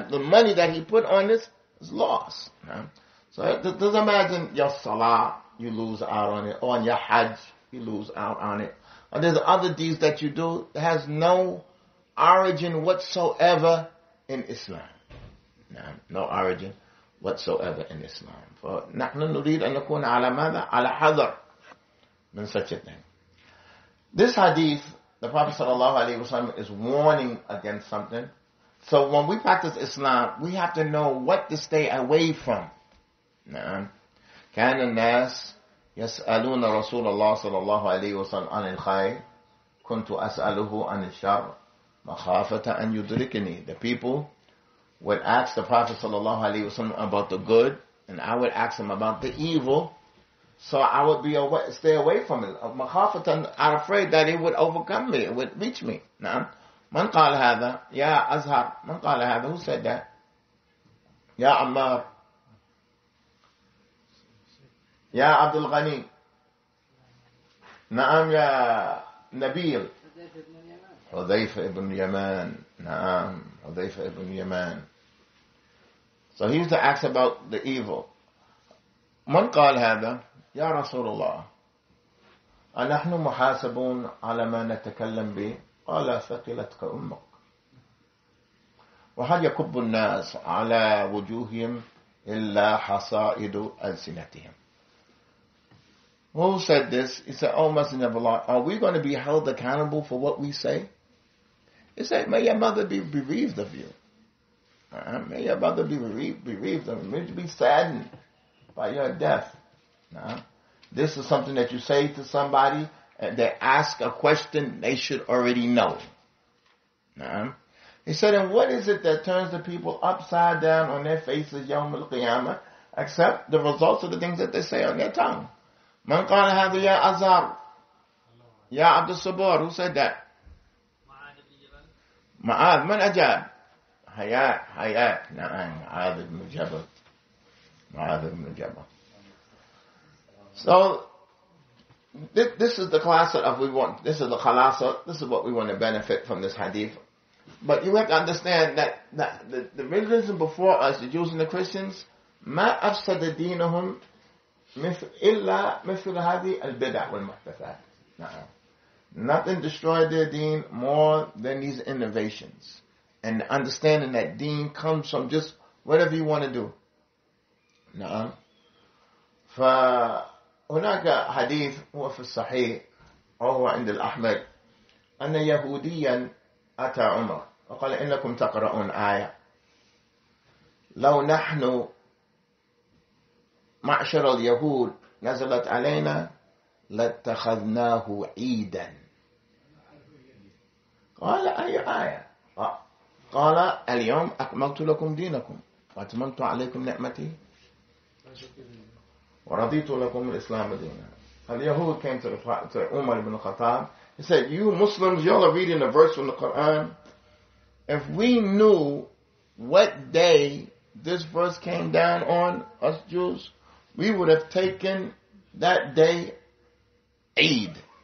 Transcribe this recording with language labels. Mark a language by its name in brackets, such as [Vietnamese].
[English] The money that he put on this is lost. So just imagine your salah, you lose out on it. Or on your hajj, you lose out on it. Or there's other deeds that you do that has no origin whatsoever in Islam. No origin whatsoever in Islam. [Arabic] For نحن نريد أن نكون على ماذا؟ على حذر من [English] such a thing. This hadith, the Prophet sallallahu alaihi wasallam is warning against something. So when we practice Islam, we have to know what to stay away from. [Arabic] كان الناس يسألون رسول الله صلى الله عليه وسلم عن الخير كنت أسأله عن الشر مخافة أن يدركني. [English] The people would ask the Prophet sallallahu alaihi wasallam about the good, and I would ask him about the evil, so I would be away, stay away from it. مخافةً, I'm afraid that it would overcome me, it would reach me. [Arabic] نعم. من قال هذا؟ يا أزهر. من قال هذا؟ [English] Who said that? [Arabic] يا عمار. يا عبد الغني. نعم يا نبيل. حذيفة ابن يمان. نعم. حذيفة ابن يمان. [English] So he used to ask about the evil. [Arabic] من قال هذا؟ يا رسول الله أنحن محاسبون على ما نتكلم به؟ قال ثقلتك أمك وهل يكب الناس على وجوههم إلا حصائد ألسنتهم. [English] Who said this? He said, oh Messenger of Allah, are we going to be held accountable for what we say? He said, may your mother be bereaved of you. May your mother be bereaved of you. May you be saddened by your death. This is something that you say to somebody, and they ask a question they should already know. He said, and what is it that turns the people upside down on their faces, يوم القيامة, except the results of the things that they say on their tongue? [Arabic] من قال هذا يا أزار؟ يا عبد الصبور. [English] Who said that? [Arabic] معاذ. من أجاب؟ حيات. نعم. معاذ بن جبل. معاذ بن جبل. [English] So, this is the class that we want. This is the khalasa. This is what we want to benefit from this hadith. But you have to understand that the religion before us, the Jews and the Christians, [Arabic] مَا أَفْسَدَ دِينَهُمْ إِلَّا مِثْلَ هَذِي الْبِدَعْ وَالْمُحْدَثَاتِ. [English] Nothing destroyed their deen more than these innovations. And understanding that deen comes from just whatever you want to do. [Arabic] نعم. فهناك حديث هو في الصحيح وهو عند الأحمد أن يهوديا أتى عمر وقال إنكم تقرؤون آية لو نحن معشر اليهود نزلت علينا لاتخذناه عيدا. قال أي آية؟ قال اليوم أكملت لكم دينكم وأتممت عليكم نعمتي ورضيت لكم الإسلام دينا. [English] اليهود came to Umar ibn Khattab. He said, you Muslims, y'all are reading a verse from the Quran. If we knew what day this verse came down on us Jews, we would have taken that day Eid.